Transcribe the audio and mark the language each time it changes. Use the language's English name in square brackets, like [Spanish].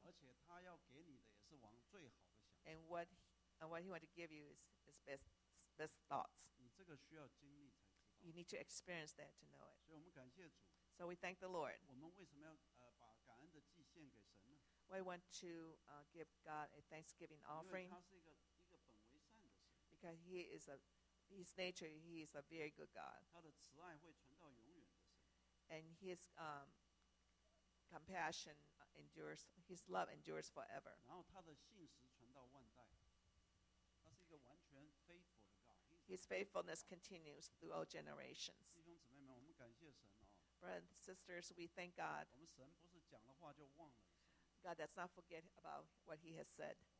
[Chinese] 而且他要给你的也是往最好的想, [English] and what He wants to give you is His best thoughts. [Chinese] 你这个需要经历才 [English] You need to experience that to know it. [Chinese] 所以我们感谢主, [English] so we thank the Lord. [Chinese] 我们为什么要, 把感恩的祭献给神呢? [English] We want to give God a thanksgiving offering. [Chinese] 因为他是一个本为善的神, [English] because He is His nature, He is a very good God. [Chinese] 他的慈爱会存到永远的神, [English] and His compassion endures, His love endures forever. [Chinese] 然后他的信实存到万代, 他是一个完全faithful, [English] His faithfulness continues through all generations. [Chinese] 弟兄姊妹们, 我们感谢神哦, [English] Brothers and sisters, we thank God. [Chinese] 我们神不是讲了话就忘了, [English] God does not forget about what He has said.